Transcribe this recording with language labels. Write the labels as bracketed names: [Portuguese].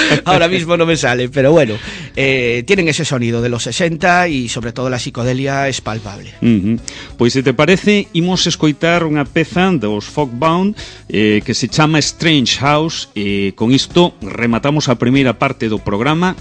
[Spanish] Ahora mismo non me sale, pero bueno, tienen ese sonido de los 60 e sobre todo la psicodelia es palpable. [Galician] Pois se te parece, imos escoitar unha peza dos Folkbound que se chama Strange House. Con isto rematamos a primeira parte do programa.